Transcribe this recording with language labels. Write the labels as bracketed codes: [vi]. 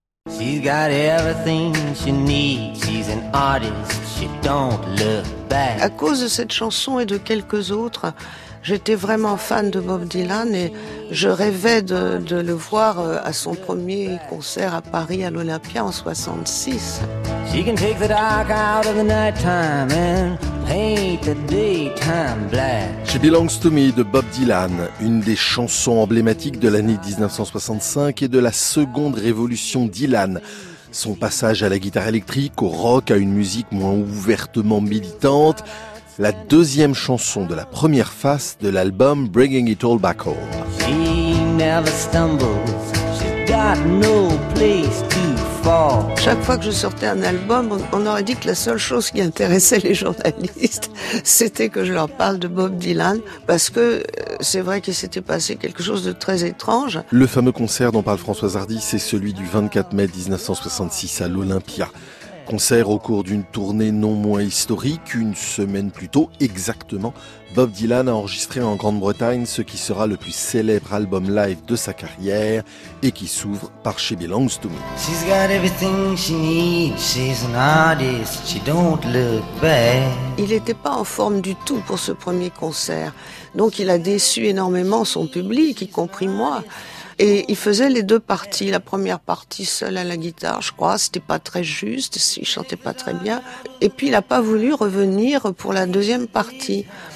[en] She's got everything she needs. She's an artist. She don't look back. [fr] À cause de cette chanson et de quelques autres, j'étais vraiment fan de Bob Dylan et je rêvais de le voir à son premier concert à Paris à l'Olympia en 66. [en] She can take the dark out of the night time and paint the daytime black. [fr] She Belongs to Me de Bob Dylan, une des chansons emblématiques de l'année 1965 et de la seconde révolution Dylan. Son passage à la guitare électrique, au rock, à une musique moins ouvertement militante. La deuxième chanson de la première face de l'album Bringing It All Back Home. [en] She never stumbles, she's got no place to fall. [fr] Chaque fois que je sortais un album, on aurait dit que la seule chose qui intéressait les journalistes, c'était que je leur parle de Bob Dylan, parce que c'est vrai qu'il s'était passé quelque chose de très étrange. Le fameux concert dont parle Françoise Hardy, c'est celui du 24 mai 1966 à l'Olympia. Concert au cours d'une tournée non moins historique, une semaine plus tôt exactement, Bob Dylan a enregistré en Grande-Bretagne ce qui sera le plus célèbre album live de sa carrière et qui s'ouvre par She Belongs to Me. [en] She's got everything she needs, she's an artist, she don't look bad. [fr] Il n'était pas en forme du tout pour ce premier concert, donc il a déçu énormément son public, y compris moi. Et il faisait les deux parties, la première partie seule à la guitare, je crois, c'était pas très juste, il chantait pas très bien. Et puis il a pas voulu revenir pour la deuxième partie.